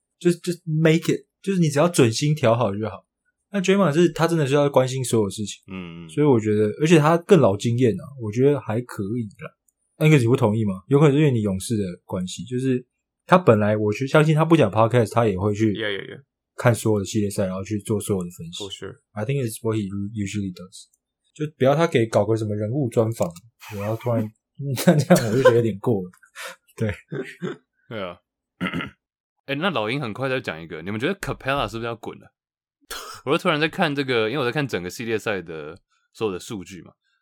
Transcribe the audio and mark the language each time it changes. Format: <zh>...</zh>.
<en>Just make it，</en> <zh>就是你只要准心调好就好。那 Draymond 是他真的是要关心所有事情，所以我觉得，而且他更老经验啊，我觉得还可以啦。Angus 你不同意吗？有可能是因为你勇士的关系，就是他本来我去相信他不讲 podcast， 他也会去看所有的系列赛，然后去做所有的分析。</zh> <en>For sure， I think it's what he usually does。</en> <zh>就不要他给搞个什么人物专访，我要突然那这样我就觉得有点过了。对，对啊。欸，那老鹰很快再讲一个，你们觉得 Capella 是不是要滚了？我就突然在看这个，因为我在看整个系列赛的所有的数据嘛。</zh>